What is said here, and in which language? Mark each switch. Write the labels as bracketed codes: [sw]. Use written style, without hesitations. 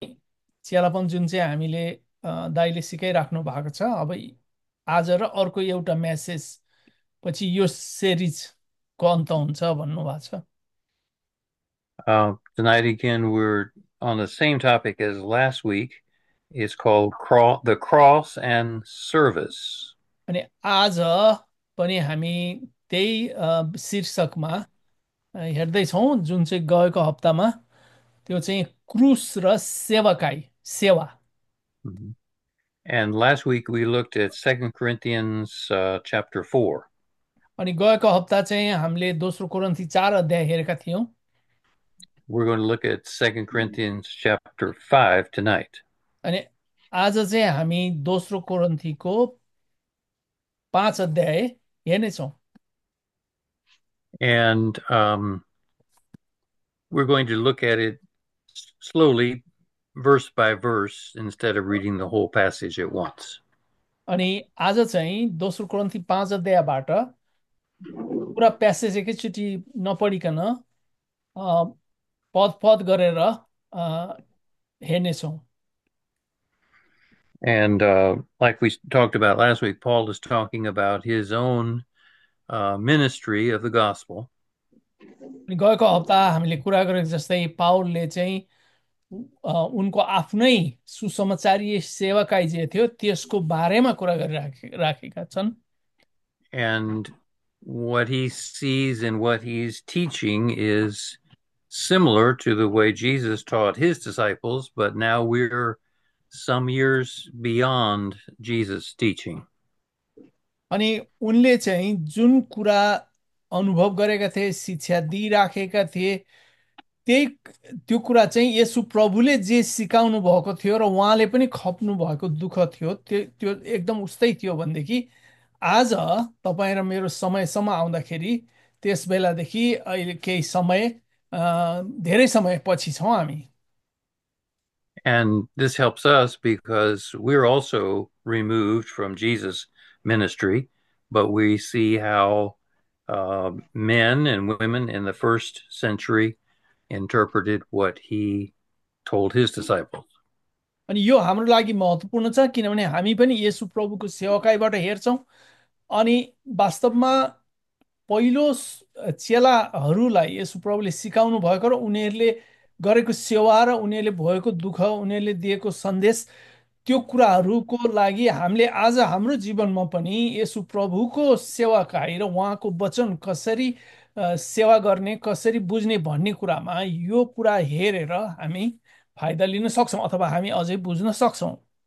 [ne] चियालापन जुन चाहिँ हामीले दाईले सिकाइराख्नु भएको छ, अब आज र अर्को एउटा म्यासेज पछि यो सिरिजको अन्त हुन्छ भन्नुभएको छ। [en] Tonight again, we're on the same topic as last week. It's called the Cross and Service. [ne] अनि आज पनि हामी त्यही शीर्षकमा हेर्दैछौँ जुन चाहिँ गएको हप्तामा, त्यो चाहिँ क्रुस र सेवकाई सेवा। [en] And last week we looked at 2 Corinthians chapter 4. [ne] अनि गएको हप्ता चाहिँ हामीले दोस्रो कोरन्थी 4 अध्याय हेरेका थियौँ। [en] We're going to look at 2 Corinthians chapter 5 tonight. [ne] अनि आज चाहिँ हामी दोस्रो कोरन्थीको 5 अध्याय हेर्नेछौँ। [en] And we're going to look at it slowly, verse by verse, instead of reading the whole passage at once. [ne] अनि आज चाहिँ दोस्रो कोरन्थी 5 अध्यायबाट पुरा प्यासेज एकैचोटि नपढिकन पद पद गरेर हेर्नेछौँ। [en] And like we talked about last week, Paul is talking about his own ministry of the gospel. [ne] गएको हप्ता हामीले कुरा गरेको जस्तै पाउलले चाहिँ उनको आफ्नै सुसमाचारीय सेवकाइ जे थियो त्यसको बारेमा कुरा गरिराखेका छन्। [en] And what he sees and what he's teaching is similar to the way Jesus taught his disciples, but now we're some years beyond Jesus' teaching. [ne] अनि उनले चाहिँ जुन कुरा अनुभव गरेका थिए, शिक्षा दिइराखेका थिए, त्यही त्यो कुरा चाहिँ येशु प्रभुले जे सिकाउनु भएको थियो र उहाँले पनि खप्नु भएको दुःख थियो, त्यो त्यो एकदम उस्तै थियो भनेदेखि आज तपाईँ र मेरो समयसम्म आउँदाखेरि त्यस बेलादेखि अहिले केही समय धेरै समय पछि छौँ हामी। [en] And this helps us because we're also removed from Jesus' ministry, but we see how men and women in the first century interpreted what he told his disciples. [ne] अनि यो हाम्रो लागि महत्त्वपूर्ण छ किनभने हामी पनि येशु प्रभुको सेवकाइबाट हेर्छौँ। अनि वास्तवमा पहिलो चेलाहरूलाई येशु प्रभुले सिकाउनु भएको र उनीहरूले गरेको सेवा र उनीहरूले भएको दुःख, उनीहरूले दिएको सन्देश, त्यो कुराहरूको लागि हामीले आज हाम्रो जीवनमा पनि येशु प्रभुको सेवकाइ र उहाँको वचन कसरी सेवा गर्ने, कसरी बुझ्ने भन्ने कुरामा यो कुरा हेरेर हामी फाइदा लिन सक्छौँ अथवा हामी अझै बुझ्न सक्छौँ।